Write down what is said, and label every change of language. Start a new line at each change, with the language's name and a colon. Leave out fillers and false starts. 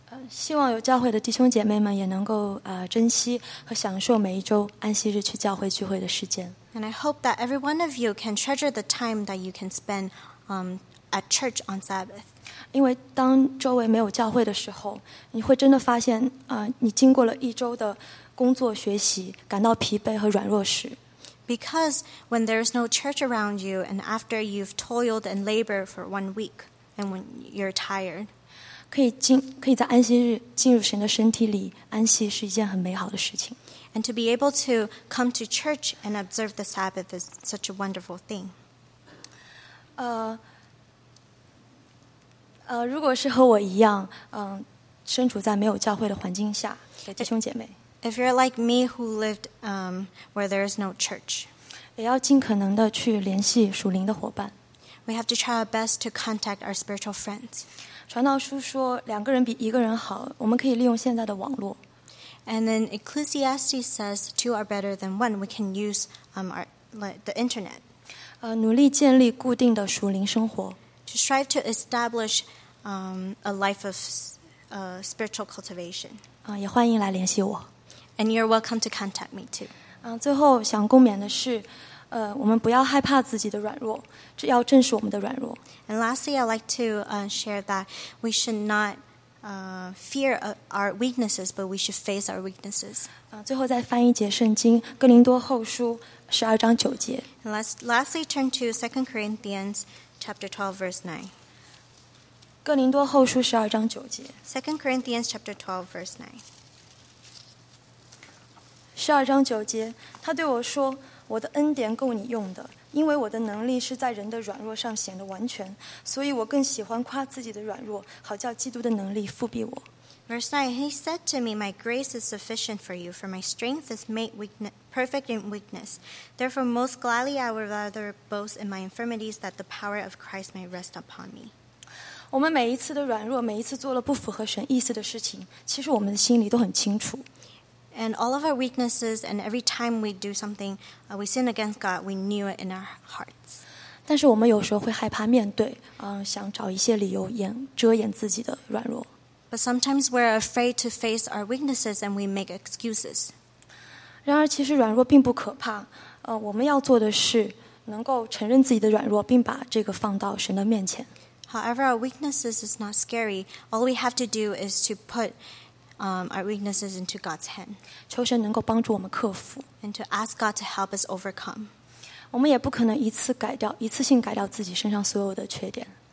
Chinese: 希望有教会的弟兄姐妹们也能够珍惜和享受每一周安息日去教会聚会的时间。
English: And I hope that every one of you can treasure the time that you can spend at church on Sabbath.
Chinese: 因为当周围没有教会的时候你会真的发现你经过了一周的工作学习感到疲惫和软弱时。
English: Because when there's no church around you and after you've toiled and labored for one week and when you're tired,
Chinese: 可以在安息日进入神的身体里安息是一件很美好的事情。
English: And to be able to come to church and observe the Sabbath is such a wonderful thing.
Chinese: 如果是和我一样身处在没有教会的环境下给弟兄姐妹。
English: If you're like me who lived where there is no church,
Chinese: 也要尽可能的去联系属灵的伙伴。
English: We have to try our best to contact our spiritual friends.
Chinese: 传道书说两个人比一个人好我们可以利用现在的网络。
English: And then Ecclesiastes says two are better than one. We can use the internet.
Chinese: 努力建立固定的属灵生活。
English: To strive to establish a life of spiritual cultivation.
Chinese: 也欢迎来联系我。
English: And you're welcome to contact me too.
Chinese: 最后想共勉的是我们不要害怕自己的软弱只要正视我们的软弱。
English: And lastly, I'd like to share that we should not fear our weaknesses, but we should face our weaknesses.
Chinese: 最后再翻一节圣经哥林多后书十二章九节。
English: And lastly, turn to 2 Corinthians chapter 12, verse 9.
Chinese: 哥林多后书十二章九节。
English: 2 Corinthians chapter 12, verse 9.
Chinese: 十二章九节，他对我说：“我的恩典够你用的，因为我的能力是在人的软弱上显得完全，所以我更喜欢夸自己的软弱，好叫基督的能力覆庇我。”
English: Verse 9, he said to me, "My grace is sufficient for you, for my strength is made perfect in weakness. Therefore, most gladly I would rather boast in my infirmities, that the power of Christ may rest upon me."
Chinese: 我们每一次的软弱，每一次做了不符合神意思的事情，其实我们的心里都很清楚。
English: And all of our weaknesses, and every time we do something, we sin against God, we knew it in our hearts.
Chinese: 但是我们有时候会害怕面对，想找一些理由遮掩自己的软弱。
English: But sometimes we're afraid to face our weaknesses, and we make excuses.
Chinese: 然而其实软弱并不可怕，我们要做的是能够承认自己的软弱，并把这个放到神的面前。
English: However, our weaknesses is not scary. All we have to do is to put our weaknesses into God's hand.
Chinese: 求神能够帮助我们克服。
English: And to ask God to help us overcome.
Chinese: 我们也不可能一次性改掉自己身上所有的缺点。